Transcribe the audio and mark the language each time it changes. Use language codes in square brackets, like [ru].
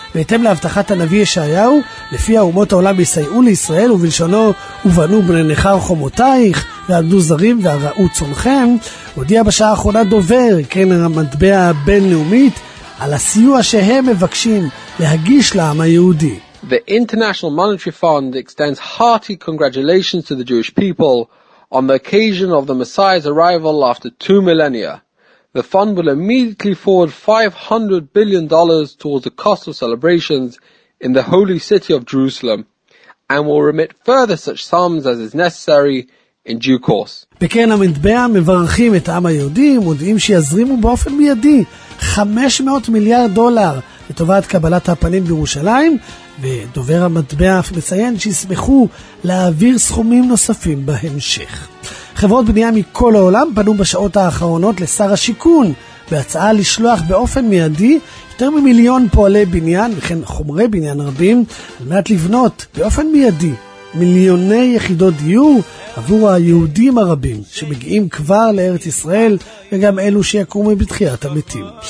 [he] בהתאם להבטחת הנביא ישעיהו, לפי האומות העולם יסייעו לישראל ובלשונו ובנו בני נחר חומותייך ועמדו זרים והראו צונכם, הודיע בשעה האחרונה דובר קרן המטבע הבינלאומית על הסיוע שהם מבקשים להגיש לעם היהודי. [en] The International Monetary Fund extends hearty congratulations to the Jewish people on the occasion of the Messiah's arrival after 2 millennia. The fund will immediately forward $500 billion towards the cost of celebrations in the holy city of Jerusalem, and will remit further such sums as is necessary in due course. [he] בקרן המטבע מברכים את העם היהודי, מודיעים שיזרימו באופן מיידי 500 מיליארד דולר לטובת קבלת הפנים בירושלים, ודובר המטבע אף מציין שישמחו להעביר סכומים נוספים בהמשך. חברות בנייה מכל העולם פנו בשעות האחרונות לשר השיכון בהצעה לשלוח באופן מיידי יותר ממיליון פועלי בניין וכן חומרי בניין רבים על מנת לבנות באופן מיידי מיליוני יחידות דיור עבור היהודים הרבים שמגיעים כבר לארץ ישראל וגם אלו שיקומו בתחיית המתים.